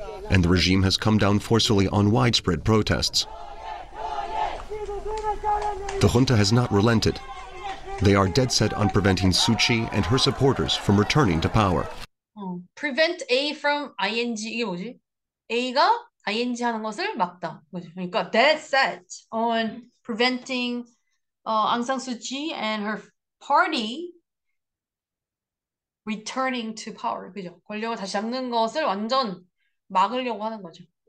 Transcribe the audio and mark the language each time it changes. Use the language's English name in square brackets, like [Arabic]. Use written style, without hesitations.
[English] And the regime has come down forcefully on widespread protests. The junta has not relented. They are dead set on preventing Suu Kyi and her supporters from returning to power. Prevent A from ING, [Korean] 이게 뭐지? A가 ING 하는 것을 막다. 뭐지? 그러니까 [English] dead set on preventing Aung San Suu Kyi and her party returning to power. [Korean] 그죠? 권력을 다시 잡는 것을 완전 막으려고 하는 거죠.